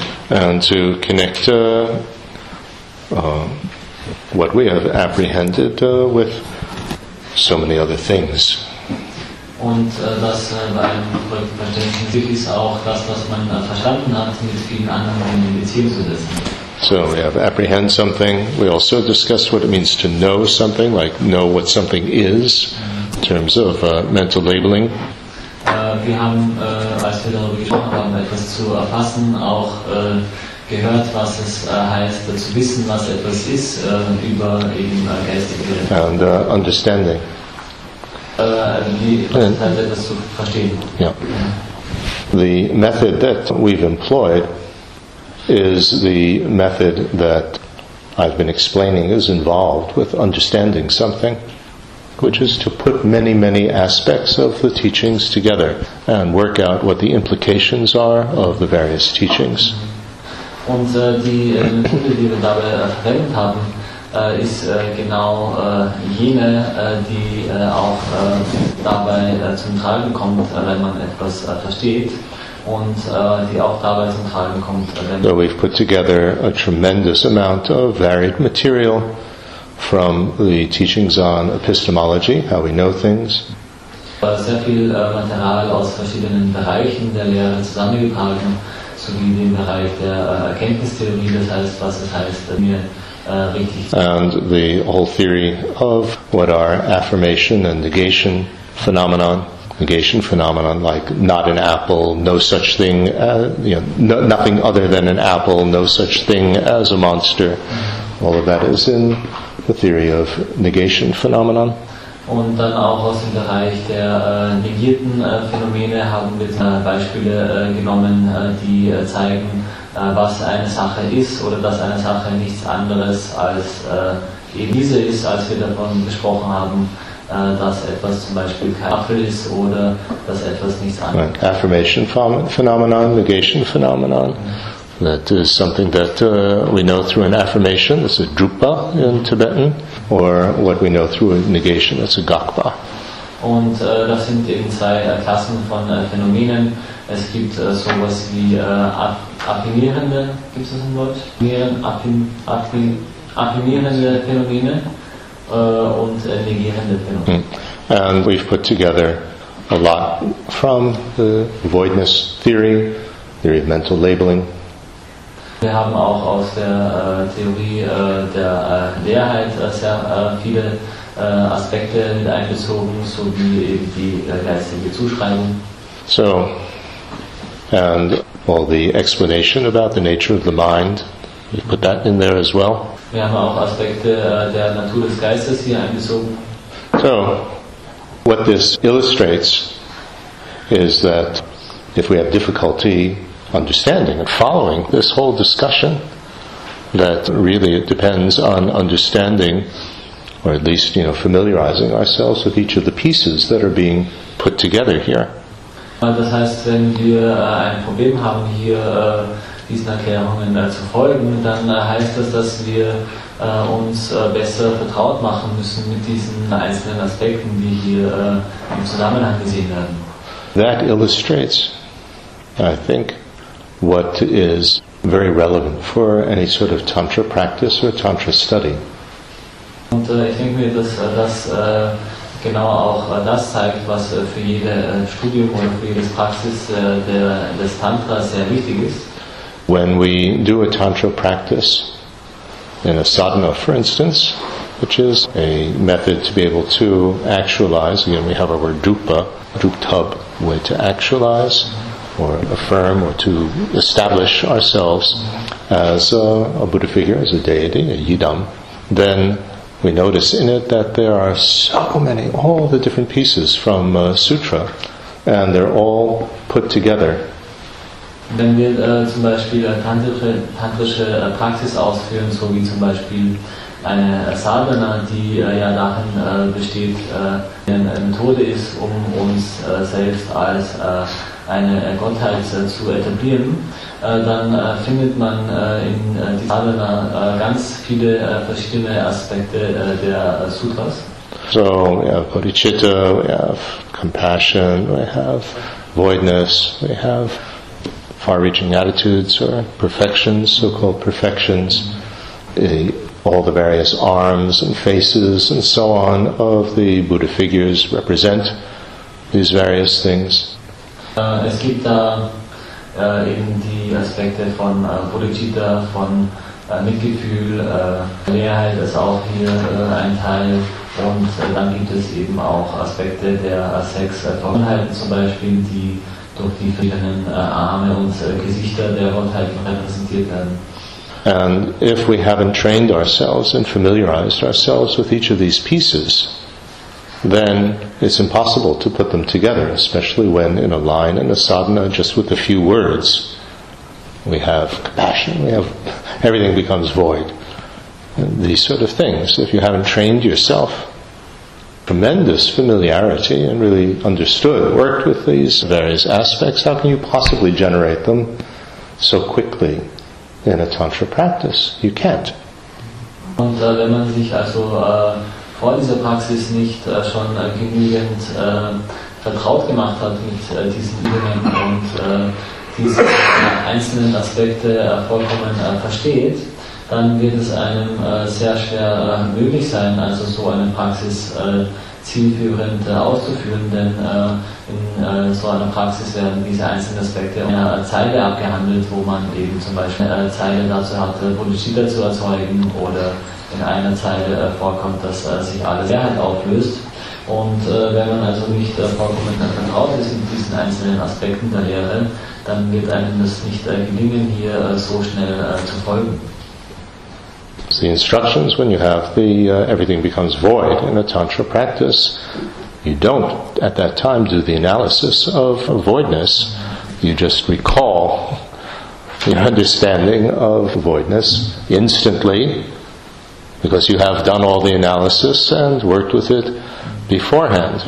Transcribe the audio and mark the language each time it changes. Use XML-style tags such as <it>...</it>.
<en>and to connect what we have apprehended with so many other things.</en> <de>Und das bei einem Verständnis ist auch das, was man verstanden hat, mit vielen anderen in Beziehung zu setzen.</de> <en>So we have apprehend something. We also discussed what it means to know something, like know what something is, in terms of mental labeling.</en> <de>Wir haben, als wir darüber gesprochen haben, etwas zu erfassen, auch gehört, was es heißt, zu wissen, was etwas ist, über eben geistige</de> <en>and understanding.</en> <de>Etwas zu verstehen.</de> <en>Yeah. The method that we've employed is the method that I've been explaining is involved with understanding something, which is to put many, many aspects of the teachings together and work out what the implications are of the various teachings.</en> <de>Und die Methode, die wir dabei verwendet haben, ist genau jene, die auch dabei zum Tragen kommt, wenn man etwas versteht.</de> <en>So we've put together a tremendous amount of varied material from the teachings on epistemology, how we know things,</en> <de>sehr viel Material aus verschiedenen Bereichen der Lehre zusammengetragen, sowie den Bereich der Erkenntnistheorie, das heißt, was es heißt, mir richtig zu</de> <en>and the whole theory of what are affirmation and negation phenomenon. Negation phenomenon like not an apple, no such thing, nothing other than an apple, no such thing as a monster. All of that is in the theory of negation phenomenon.</en> <de>Und dann auch aus dem Bereich der negierten Phänomene haben wir Beispiele genommen, die zeigen, was eine Sache ist oder dass eine Sache nichts anderes als diese ist, als wir davon gesprochen haben. Dass etwas zum Beispiel kein Apfel ist oder dass etwas nichts anderes ist.</de> <en>Affirmation phenomenon, negation phenomenon. That is something that we know through an affirmation, that's a drupa in Tibetan, or what we know through a negation, that's a gakpa.</en> <de>Und das sind eben zwei Klassen von Phänomenen. Es gibt sowas wie affirmierende, gibt es das im Wort? Affirmierende Phänomene.</de> <en>And we've put together a lot from the voidness theory, theory of mental labeling.</en> <de>Wir haben auch aus der Theorie der Leerheit sehr viele Aspekte mit einbezogen, so wie eben die geistige Zuschreibung.</de> <en>So, and all the explanation about the nature of the mind, we put that in there as well.</en> <de>Wir haben auch Aspekte der Natur des Geistes hier einbezogen.</de> <en>So, what this illustrates is that if we have difficulty understanding and following this whole discussion, that really it depends on understanding, or at least, you know, familiarizing ourselves with each of the pieces that are being put together here.</en> <de>Das heißt, wenn wir ein Problem haben hier, diesen Erklärungen zu folgen, dann heißt das, dass wir uns besser vertraut machen müssen mit diesen einzelnen Aspekten, die hier im Zusammenhang gesehen werden.</de> <en>That illustrates, I think, what is very relevant for any sort of Tantra practice or Tantra study.</en> <de>Und ich denke mir, dass das genau auch das zeigt, was für jede Studium oder für jedes Praxis des Tantras sehr wichtig ist.</de> <en>When we do a tantra practice, in a sadhana, for instance, which is a method to be able to actualize. Again, we have our word dupa, duptab, way to actualize or affirm or to establish ourselves as a Buddha figure, as a deity, a yidam. Then we notice in it that there are so many, all the different pieces from sutra, and they're all put together.</en> <de>Wenn wir zum Beispiel eine tantrische Praxis ausführen, so wie zum Beispiel eine Sadhana, die ja darin besteht, eine Methode ist, um uns selbst als eine Gottheit zu etablieren, dann findet man in dieser Sadhana ganz viele verschiedene Aspekte der Sutras.</de> <en>So, we have bodhicitta, we have compassion, we have voidness, we have far-reaching attitudes or perfections, so-called perfections, all the various arms and faces and so on of the Buddha figures represent these various things.</en> <de>Es gibt da eben die Aspekte von bodhicitta, von Mitgefühl, Leerheit ist auch hier ein Teil. Und dann gibt es eben auch Aspekte der sechs Verbundenheiten zum Beispiel, die durch die verschiedenen Arme und Gesichter der Verbundenheiten repräsentiert werden.</de> <en>And if we haven't trained ourselves and familiarized ourselves with each of these pieces, then it's impossible to put them together, especially when in a line in a sadhana, just with a few words, we have compassion, we have everything becomes void. These sort of things, if you haven't trained yourself, tremendous familiarity and really understood, worked with these various aspects, how can you possibly generate them so quickly in a tantra practice? You can't.</en> <de>Und wenn man sich also vor dieser Praxis nicht schon genügend vertraut gemacht hat mit diesen Übungen und diese einzelnen Aspekte vollkommen versteht, dann wird es einem sehr schwer möglich sein, also so eine Praxis zielführend auszuführen, denn in so einer Praxis werden diese einzelnen Aspekte in einer Zeile abgehandelt, wo man eben zum Beispiel eine Zeile dazu hat, Bodhicitta zu erzeugen, oder in einer Zeile vorkommt, dass sich alles Leerheit auflöst. Und wenn man also nicht vollkommen vertraut ist mit diesen einzelnen Aspekten der Lehre, dann wird einem das nicht gelingen, hier so schnell zu folgen.</de> <en>The instructions, when you have the everything becomes void in a tantra practice, you don't at that time do the analysis of voidness, you just recall your understanding of voidness instantly, because you have done all the analysis and worked with it beforehand.</en>